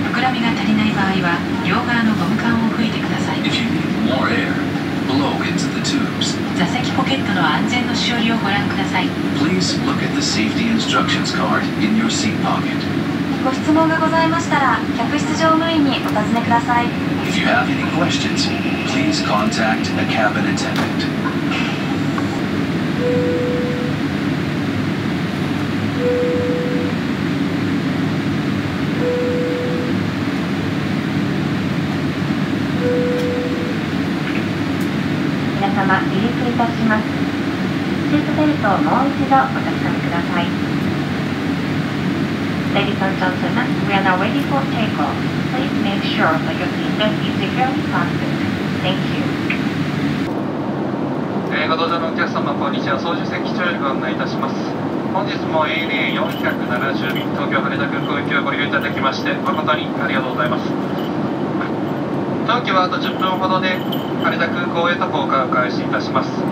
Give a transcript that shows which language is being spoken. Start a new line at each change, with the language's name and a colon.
Japanese: 膨らみが足りない場合は両側のゴム管を吹いてください。
English: If you need more air, blow into the tubes.
Japanese: 座席ポケットの安全のしおりをご覧ください。
English: Please look at the safety instructions card in your seat pocket.
Japanese: ご質問がございましたら、客室乗務員にお尋ねください。
English: If you have any questions, please contact a cabin attendant.
Japanese: みなさま、離陸いたします。シートベルトをもう一度お確かめください。
English: Ladies and gentlemen, we are now ready for takeoff. Please make sure that your seatbelt is securely fastened. Thank you.
Japanese: ご搭乗のお客様、こんにちは。操縦席機長よりご案内いたします。本日も ANA470便、東京羽田空港行きをご利用いただきまして誠にありがとうございます。当機はあと10分ほどで羽田空港へと降下を開始いたします。